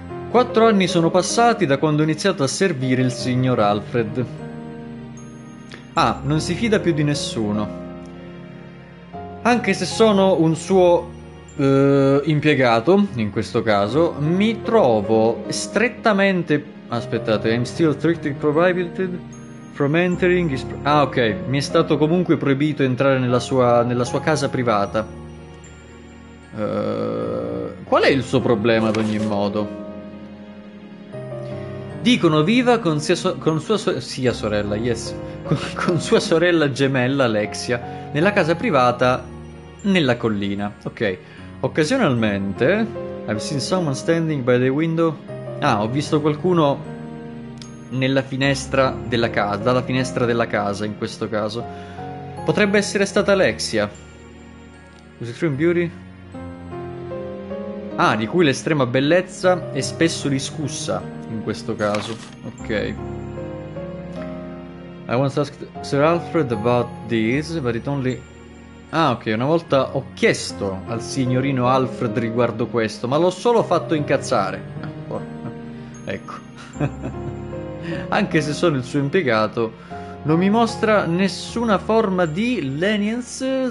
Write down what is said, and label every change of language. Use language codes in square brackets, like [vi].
[it] 4 anni sono passati da quando ho iniziato a servire il signor Alfred. Ah, non si fida più di nessuno. Anche se sono un suo impiegato, in questo caso, mi trovo strettamente... aspettate, [en] I'm still strictly prohibited from entering his... [it] ah, ok, mi è stato comunque proibito entrare nella sua casa privata. Qual è il suo problema, ad ogni modo? Dicono viva con sua sorella gemella Alexia nella casa privata nella collina. Ok. Occasionalmente [en] I've seen someone standing by the window. [it] Ah, ho visto qualcuno nella finestra della casa, dalla finestra della casa in questo caso. Potrebbe essere stata Alexia. [en] Was it from beauty? [it] Ah, di cui l'estrema bellezza è spesso discussa. In questo caso, ok. [en] I once asked Sir Alfred about this, but it only... [it] ah, ok, una volta ho chiesto al signorino Alfred riguardo questo, ma l'ho solo fatto incazzare. Ecco. Anche se sono il suo impiegato, non mi mostra nessuna forma di lenience.